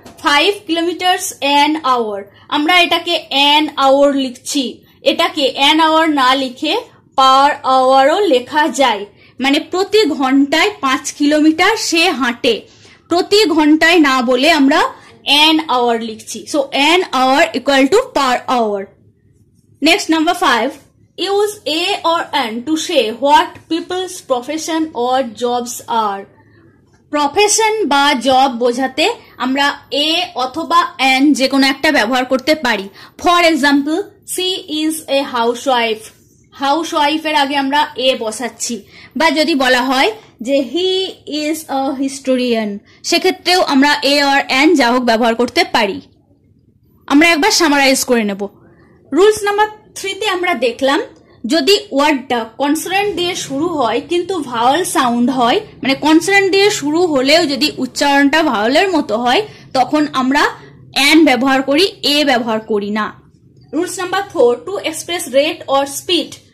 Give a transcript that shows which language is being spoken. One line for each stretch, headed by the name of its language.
English: 5 kilometers an hour.
Bangla: আমরা এটাকে an hour লিখছি। এটাকে an hour না লিখে per hour ও লেখা যায়। মানে প্রতি ঘন্টায় 5 kilometers সে হাঁটে। প্রতি ঘন্টায় না বলে আমরা an hour লিখছি।
English: So an hour equal to per hour. Next number 5. Use a or an to say what people's profession or jobs are.
Bangla: Profession বা job বোঝাতে আমরা a অথবা an যে কোনো একটা ব্যবহার করতে পারি.
English: For example, she is a housewife.
Bangla: Housewife এর আগে আমরা a বসাচ্ছি. বা যদি বলা হয় যে
English: he is a historian.
Bangla: সেক্ষেত্রেও আমরা a or an যা হোক ব্যবহার করতে পারি. আমরা একবার সামারাইজ করে নেব. Rules number 3 তে আমরা দেখলাম যদি ওয়ার্ডটা কনসোনেন্ট দিয়ে শুরু হয় কিন্তু ভাওয়াল সাউন্ড হয় মানে কনসোনেন্ট দিয়ে শুরু হলেও যদি উচ্চারণটা ভাওয়ালের মতো হয় তখন আমরা an ব্যবহার করি a ব্যবহার করি না rules number 4 to express rate or speed